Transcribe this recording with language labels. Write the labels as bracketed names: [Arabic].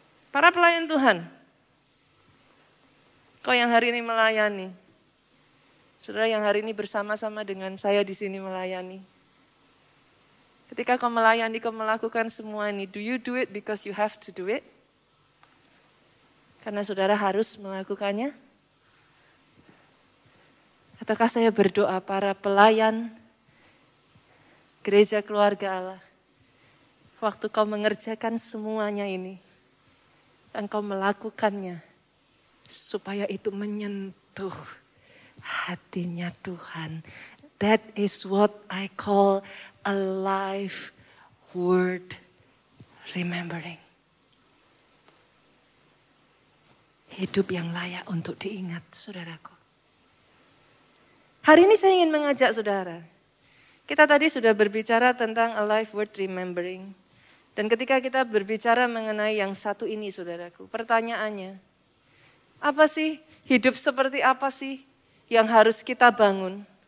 [Indonesian] Para pelayan Tuhan, kau yang hari ini melayani, saudara yang hari ini bersama-sama dengan saya di sini melayani. Ketika kau melayani, kau melakukan semua ini. [English] Do you do it because you have to do it? [Indonesian] Karena saudara harus melakukannya? Ataukah saya berdoa para pelayan gereja keluarga Allah, waktu kau mengerjakan semuanya ini, engkau melakukannya supaya itu menyentuh hatinya Tuhan. [English] That is what I call a life worth remembering. [Indonesian] Hidup yang layak untuk diingat, saudaraku. Hari ini saya ingin mengajak saudara. Kita tadi sudah berbicara tentang [English] a life worth remembering. [Indonesian] Dan ketika kita berbicara mengenai yang satu ini, saudaraku, pertanyaannya, apa sih, hidup seperti apa sih yang harus kita bangun?